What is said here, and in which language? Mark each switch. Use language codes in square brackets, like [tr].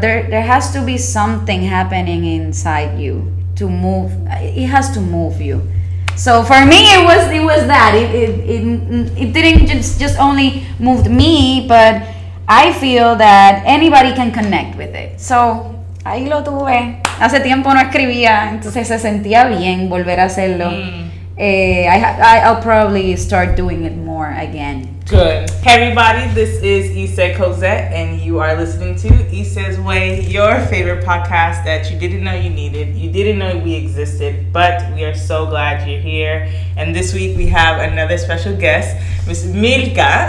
[en] There has to be something happening inside you to move. It has to move you. So for me, it was that. It didn't just only moved me, but I feel that anybody can connect with it. [es] So ahí lo tuve. Hace tiempo no escribía, entonces se sentía bien volver a hacerlo. [en] I'll probably start doing it more again. Good. Hey everybody, this is Issa Cosette, and you are listening to Issa's Way, your favorite podcast that you didn't know you needed, you didn't know we existed, but we are so glad you're here. And this week we have another special guest, Miss Milca.